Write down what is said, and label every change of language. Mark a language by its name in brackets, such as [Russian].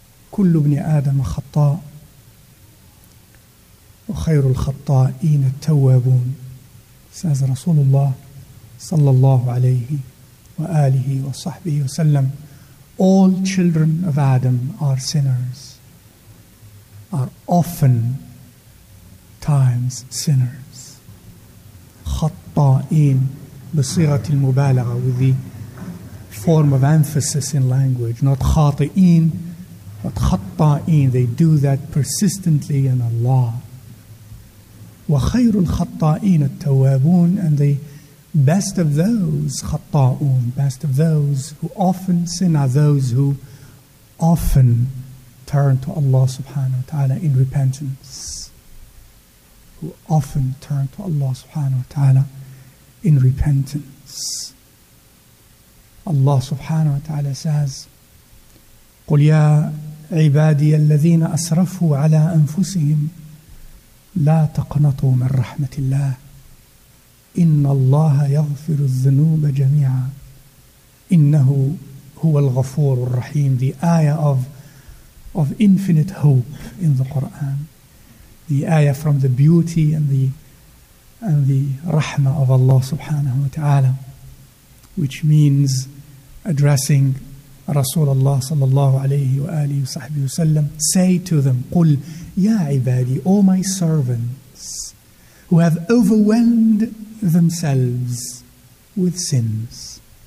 [Arabic] كل ابن آدم خطاء، وخير الخطائين التوابون، ساز رسول الله صلى الله عليه وآله وصحبه وسلم. [English] All children of Adam are sinners, are often times sinners. [Arabic] خطائين بصيغة المبالغة, [English] with the form of emphasis in language, not خاطئين but خطائين. They do that persistently in a lot. [Arabic] وخير الخطائين التوابون, [English] and the best of those خطاؤون, best of those who often sin are those who often turn to Allah subhanahu wa ta'ala in repentance. Who often turn to Allah subhanahu wa ta'ala in repentance. Allah subhanahu wa ta'ala says, [Arabic] قُلْ يَا عِبَادِيَ الَّذِينَ أَسْرَفُوا عَلَىٰ أَنفُسِهِمْ لا تقنطوا من رحمة الله إن الله يغفر الذنوب جميعا إنه هو الغفور الرحيم. [English] The ayah of infinite hope in the Quran, the ayah from the beauty and the rahma of Allah subhanahu wa ta'ala, which means addressing [Arabic] رسول الله صلى الله عليه وآله وصحبه وسلم, [English] say to them, [Arabic] قل يا عبادي, [English] all my servants who have overwhelmed themselves with sins.